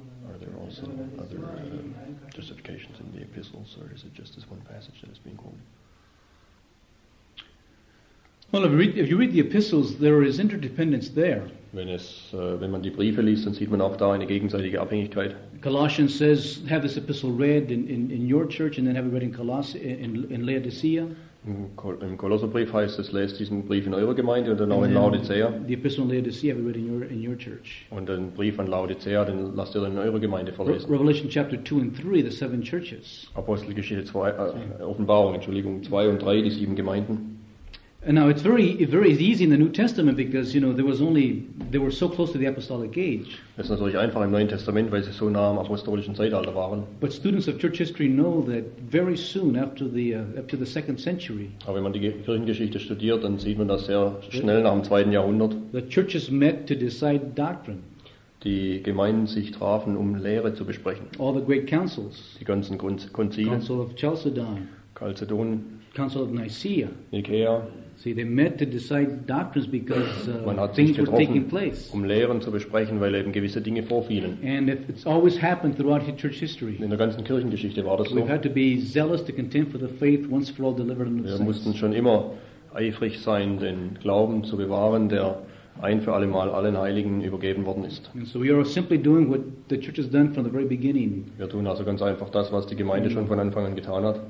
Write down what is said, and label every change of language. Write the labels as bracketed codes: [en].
[en] Are there also other justifications in the epistles, or is it just this one passage that is being quoted? Well, if you read the epistles, there is interdependence there. [de] Wenn man die Briefe liest, dann sieht man auch da eine gegenseitige Abhängigkeit. [en] Colossians says, have this epistle read in your church, and then have it read in Laodicea. [de] Im Kolosserbrief heißt es, lest diesen Brief in eurer Gemeinde und dann auch in Laodicea. [en] The epistle in Laodicea, have it read in your church. [de] Und den Brief an Laodicea, den lasst ihr in eurer Gemeinde vorlesen. [en] Revelation chapter 2 and 3, the seven churches. [de] Apostelgeschichte 2, Offenbarung, Entschuldigung, 2 und 3, die sieben Gemeinden. [en] And now it's very, very easy in the New Testament because you know they were so close to the apostolic age. [de] Es ist natürlich einfach im Neuen Testament, weil sie so nah am apostolischen Zeitalter waren. [en] But students of church history know that very soon after the second century. [de] Aber wenn man die Kirchengeschichte studiert, dann sieht man das sehr schnell nach dem zweiten Jahrhundert. [en] The churches met to decide doctrine. [de] Die Gemeinden sich trafen, um Lehre zu besprechen. [en] All the great councils. [de] Die ganzen Konzile. [en] Council of Chalcedon. [de] Chalcedon. [en] Council of Nicaea. [de] Nicaea. [en] See, they met to decide doctrines because things were taking place. [de] Um Lehren zu besprechen, weil eben gewisse Dinge vorfielen. [en] And it's always happened throughout church history. [de] In der ganzen Kirchengeschichte war das so. [en] We've had to be zealous to contend for the faith once for all delivered in the [de] saints. Wir mussten schon immer eifrig sein, den Glauben zu bewahren, der ein für alle Mal allen Heiligen übergeben worden ist. [en] And so we are simply doing what the church has done from the very beginning. [de] Wir tun also ganz einfach das, was die Gemeinde schon von Anfang an getan hat.